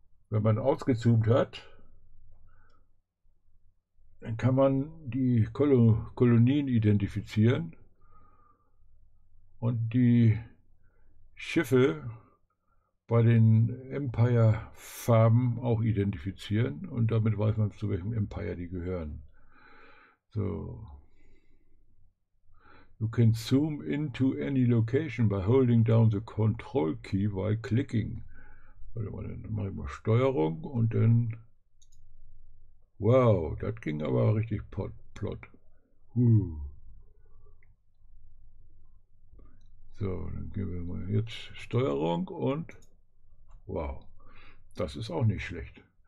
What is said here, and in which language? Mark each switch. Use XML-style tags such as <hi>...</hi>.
<de>Wenn man ausgezoomt hat, dann kann man die Kolonien identifizieren und die Schiffe bei den Empire-Farben auch identifizieren und damit weiß man, zu welchem Empire die gehören. So.</de> <en>You can zoom into any location by holding down the control key while clicking.</en> <de>Warte mal, dann mache ich mal Steuerung und dann. Wow, das ging aber richtig plott. So, dann gehen wir mal jetzt Steuerung und wow, das ist auch nicht schlecht.</de>